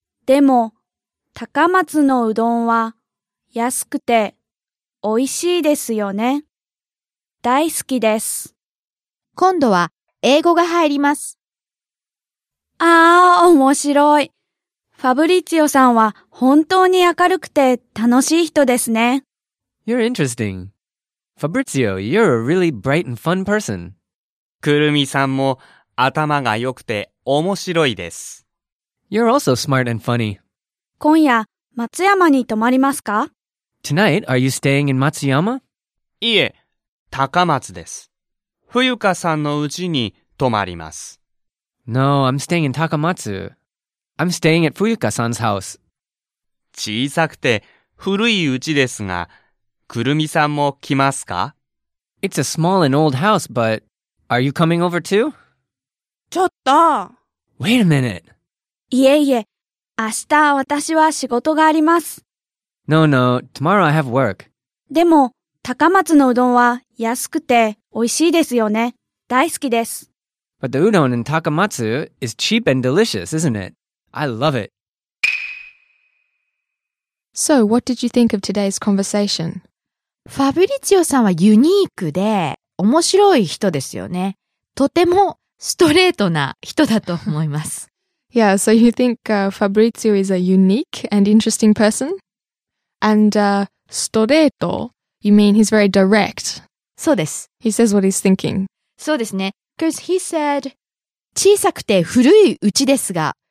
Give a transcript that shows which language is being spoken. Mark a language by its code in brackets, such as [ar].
[ja] でも高松のうどんは安くて美味しいですよね。大好きです。今度は英語が入ります。ああ、面白い。ファブリツィオさんは本当に明るくて楽しい人ですね。 [en] You're interesting. Fabrizio, you're a really bright and fun person. [ja] くるみさんも頭が良くて面白いです。 [en] You're also smart and funny. [ja] 今夜、松山に泊まりますか？ [en] Tonight, are you staying in Matsuyama? [ja] いえ、高松です。ふゆかさんの家に泊まります。 [en] No, I'm staying in Takamatsu. I'm staying at Fuyuka-san's house. [ja] 小さくて古い家ですが、くるみさんも来ますか？ [en] It's a small and old house, but are you coming over too? [ja] ちょっと！ [en] Wait a minute! [ja] いえいえ、明日私は仕事があります。 [en] No, no. Tomorrow I have work. [ja] でも、高松のうどんは安くて美味しいですよね。大好きです。 [en] But the udon in Takamatsu is cheap and delicious, isn't it? I love it. So, what did you think of today's conversation? [ja] ファブリツィオさんはユニークで面白い人ですよね。とてもストレートな人だと思います。 [en] Yeah, so you think Fabrizio is a unique and interesting person? And ストレート, you mean he's very direct. [ja] そうです。 [en] He says what he's thinking. [ja] そうですね。 [en] Because he said, [ja] 小さくて古いうちですが、